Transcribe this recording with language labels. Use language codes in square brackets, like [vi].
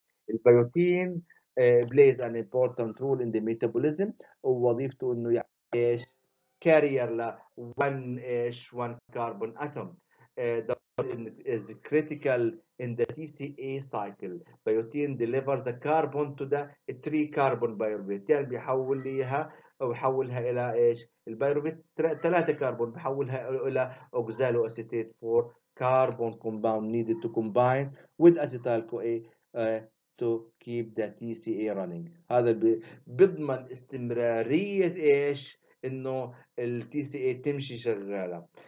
[en] البيوتين plays in important role in the metabolism, [ar] ووظيفته انه يعني ايش؟ [en] Carrier ل 1 ايش 1 carbon atom, is critical in the TCA cycle. Biotin delivers the carbon to the 3 carbon pyruvate. [ar] يعني بيحول ليها وبحولها الى ايش؟ [en] البايروفيت 3 كربون، بحولها الى oxaloacetate 4 carbon compound needed to combine with acetyl CoA to keep the T C A running. [ar] هذا بيضمن استمراريه ايش؟ انه التي سي اي تمشي شغاله.